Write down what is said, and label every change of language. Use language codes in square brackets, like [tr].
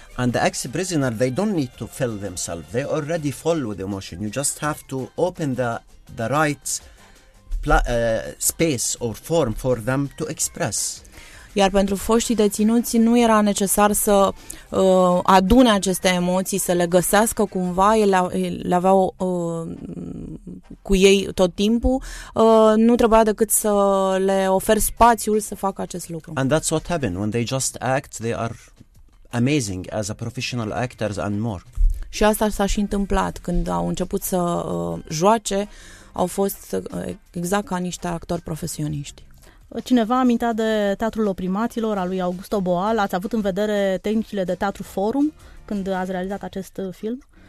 [en] And the ex-prisoner, they don't need to fill themselves. They already fall with emotion. You just have to open the right space or form for them to express. [ro] Iar pentru foștii deținuți nu era necesar să adune aceste emoții, să le găsească cumva, le aveau cu ei tot timpul, nu trebuia decât să le ofer spațiul să facă acest lucru. [en] And that's what happened. When they just act, they are amazing as a professional actors and more. [ro] Și asta s-a și întâmplat când au început să joace, au fost exact ca niște actori profesioniști. Cineva amintea de Teatrul Oprimaților, al lui Augusto Boal. Ați avut în vedere tehnicile de teatru Forum când ați realizat acest film?